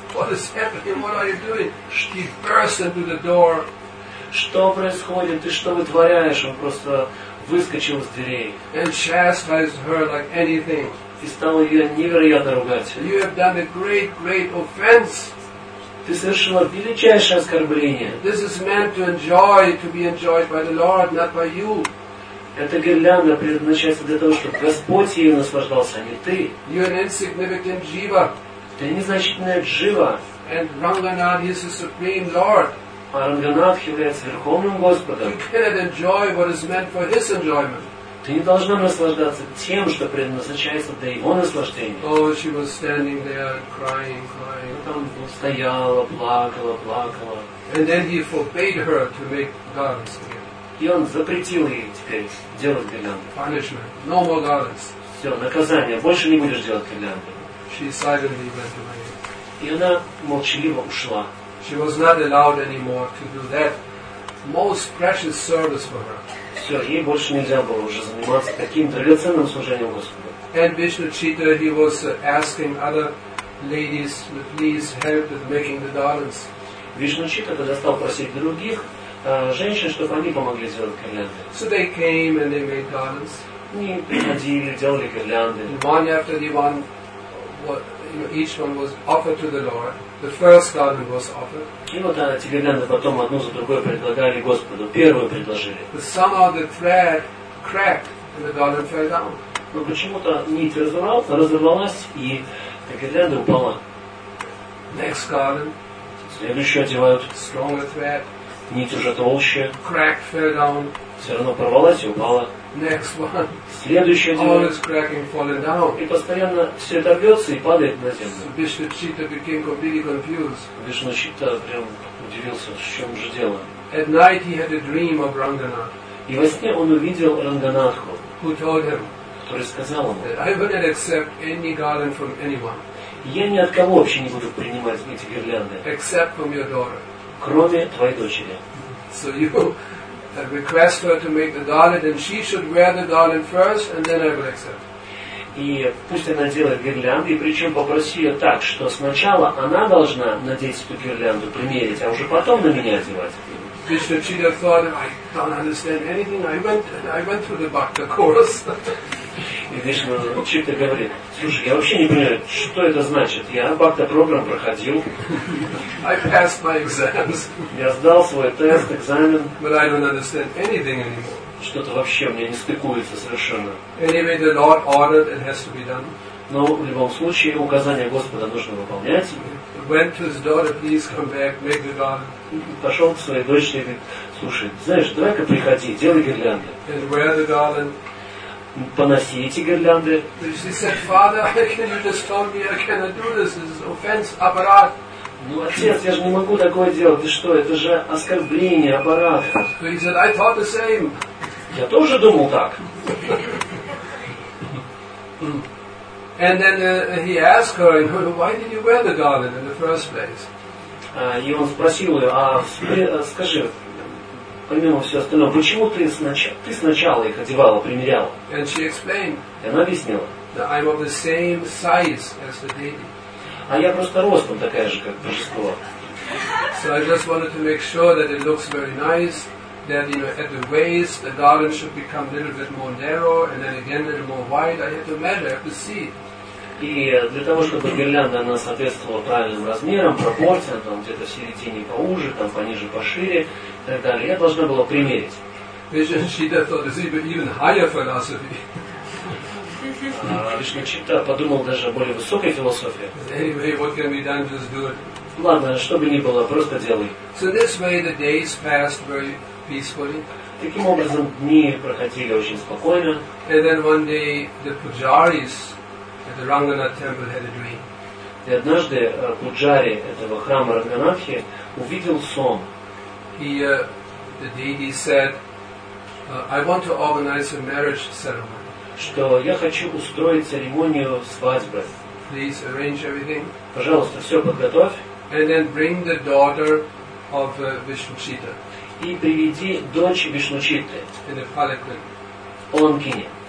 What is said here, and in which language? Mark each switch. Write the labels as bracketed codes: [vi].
[en] What is happening? What are you doing? He burst into the door. [ru] Что происходит? Ты что вытворяешь? Он просто выскочил из дверей. [en] And chastised her like anything. [ru] И стал ее невероятно ругать. [en] You have done a great, great offense. [ru] Ты совершила величайшее оскорбление. [en] This is meant to enjoy, to be enjoyed by the Lord, not by you. [ru] Эта гирлянда предназначается для того, чтобы Господь ею наслаждался, а не ты. [en] You're an insignificant jiva. [ru] Ты незначительная джива. [en] And Ranganath is the supreme Lord. [ru] А Ранганатх является Верховным Господом. [en] You cannot enjoy what is meant for his enjoyment. [ru] Ты не должна наслаждаться тем, что предназначается для его наслаждения. [en] Oh, she was standing there crying, crying. [ru] Она там стояла, плакала, плакала. [en] And then he forbade her to make garlands. [ru] И он запретил ей теперь делать гирлянды. [en] Punishment. No more garlands. [ru] Все, наказание. Больше не будешь делать гирлянды. [en] She silently went away. [ru] И она молчаливо ушла. [en] She was not allowed anymore to do that most precious service for her. [ru] Все, ей больше нельзя было уже заниматься таким драгоценным служением Господу. [en] And Vishnuchitta, he was asking other ladies to please help with making the garlands. [ru] Вишнучитта тогда стал просить других женщин, чтобы они помогли сделать гирлянды. [en] So they came and they made garlands. [ru] Они приходили, делали гирлянды. [en] One after the one, what, you know, each one was offered to the Lord. The first garland was offered. [ru] И вот эти гирлянды потом одну за другой предлагали Господу. Первую предложили. [en] But somehow the thread cracked and the garland fell down. [ru] Но почему-то нить разорвалась и гирлянда упала. [en] Next garland. [ru] Следующую одевают. [en] Stronger thread. [ru] Нить уже толще. [en] Crack fell down. [ru] Все равно порвалась и упала. [en] Next one. [ru] Следующая дело. [en] All is cracking, falling down. [ru] И постоянно все это рвется и падает на землю. [en] Vishnuchitta became completely confused. [ru] Vishnuchitta прям удивился, в чем же дело. [en] At night he had a dream of Ranganath. [ru] И во сне он увидел Ранганатху. [en] Who told him? [ru] Который сказал ему. [en] I wouldn't accept any garland from anyone. [ru] Я ни от кого вообще не буду принимать эти гирлянды. [en] Except from your daughter. [ru] Кроме твоей дочери. [en] So you request her to make the garland, and she should wear the garland first, and then I will accept. [ru] И пусть она делает гирлянды, и причем попроси ее так, что сначала она должна надеть эту гирлянду, примерить, а уже потом на меня одевать. [en] Кришна Чида thought, I don't understand anything. I went through the Bhakta course. [ru] И Кришна Чида говорит, слушай, я вообще не понимаю, что это значит. Я Бхакта программ проходил. [en] I passed my exams. [ru] Я сдал свой тест, экзамен. [en] But I don't understand anything anymore. [ru] Что-то вообще мне не стыкуется совершенно. [en] Anyway, the Lord ordered it has to be done. [ru] Но в любом случае указания Господа нужно выполнять. [en] Went to his daughter, please come back, make the garland. [ru] Пошел к своей дочери и говорит, слушай, знаешь, давай-ка приходи, делай гирлянды. [en] And wear the garland. [ru] Поноси эти гирлянды. [en] She said, Father, can you just tell me I cannot do this? This is offense, аппарат. [ru] Ну, отец, я же не могу такое делать. Ты что, это же оскорбление, аппарат. [en] He said, I thought the same. [ru] Я тоже думал так. [en] And then he asked her, why did you wear the garland in the first place? [ru] И он спросил ее, а скажи, помимо всего остального, почему ты сначала их одевала, примеряла? [en] And she explained. [ru] И она объяснила. [en] That I'm of the same size as the deity. А я просто ростом такая же, как божество. So I just wanted to make sure that it looks very nice. Then, you know, at the waist, the garland should become a little bit more narrow, and then again a little more wide. I have to measure, I have to see. [ru] И для того, чтобы гирлянда она соответствовала правильным размерам, пропорциям, там где-то в середине поуже, там пониже, пошире, и так далее, я должна была примерить. [en] Кришна Чита thought this is even higher philosophy. [ru] Кришна Чита подумал даже о более высокой философии. [en] Anyway, what can be done, just do it. [ru] Ладно, что бы ни было, просто делай. [en] So this way the days passed very peacefully. [ru] Таким образом, дни проходили очень спокойно. [en] And then one day the pujaris at the Ranganath temple had a dream. [ru] И однажды пуджари этого храма Ранганатхи увидел сон. [en] The deity said, I want to organize a marriage ceremony. [ru] Что я хочу устроить церемонию свадьбы. [en] Please arrange everything. [ru] Пожалуйста, все подготовь. [en] And then bring the daughter of Vishnuchitta. [ru] И приведи дочь Вишнучитты. [en] In the Palakri. [ru] В Паланкине.